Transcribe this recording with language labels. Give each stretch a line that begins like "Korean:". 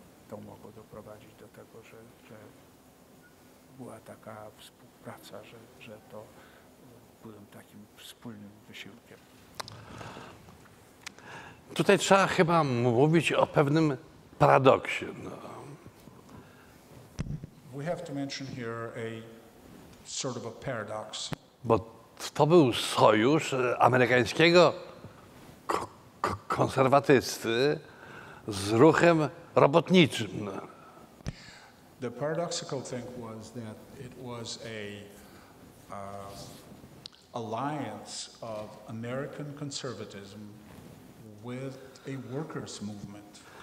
Polish: To mogło doprowadzić do tego, że była taka współpraca, że to byłem takim wspólnym wysiłkiem. Tutaj trzeba chyba mówić o pewnym paradoksie. No.
English: We have to mention here a sort of a paradox.
Polish: Bo to był sojusz amerykańskiego konserwatysty z ruchem robotniczym.
English: The paradoxical thing was that it was a alliance of American conservatism with a workers' movement.